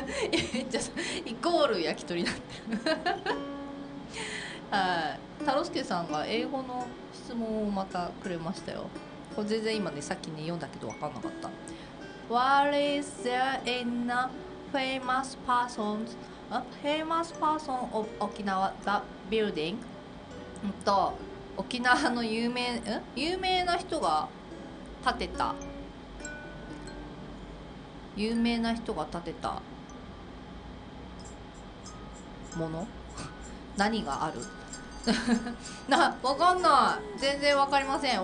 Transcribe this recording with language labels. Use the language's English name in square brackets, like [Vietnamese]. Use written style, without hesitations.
[Japanese] いみっちゃさんイコール焼き鳥なんて。はい、太郎介さんが英語の質問をまたくれましたよ。これ全然今ね、さっきね読んだけど分かんなかった。 [English] What is there in a famous person famous person of Okinawa the building? [Japanese] んと沖縄の有名、ん？有名な人が建てた、有名な人が建てたもの？何がある？な、わかんない、全然わかりません。